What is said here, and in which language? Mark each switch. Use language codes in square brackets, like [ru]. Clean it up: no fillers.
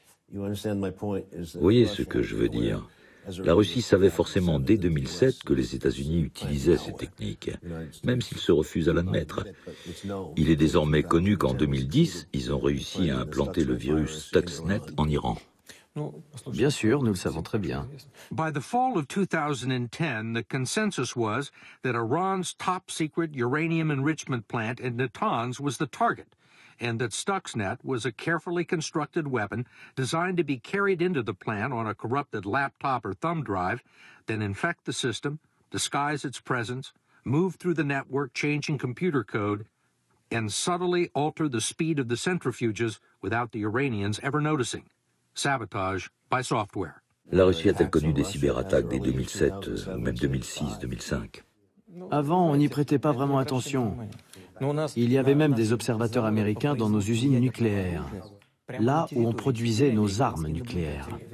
[fr] Vous voyez ce que je veux dire? La Russie savait forcément dès 2007 que les États-Unis utilisaient ces techniques, même s'ils se refusent à l'admettre. Il est désormais connu qu'en 2010, ils ont réussi à implanter le virus Stuxnet en Iran. Bien sûr, nous le savons très bien. [en] By the fall of 2010, the consensus was that Iran's top secret uranium enrichment plant in Natanz was the target. and that Stuxnet was a carefully constructed weapon designed to be carried into the plant on a corrupted laptop or thumb drive, then infect the system, disguise its presence, move through the network changing computer code, and subtly alter the speed of the centrifuges without the Iranians ever noticing. Sabotage by software. [fr] La Russie a-t-elle connu des cyberattaques dès 2007, ou même 2006-2005? Avant, on n'y prêtait pas vraiment attention. Il y avait même des observateurs américains dans nos usines nucléaires, là où on produisait nos armes nucléaires.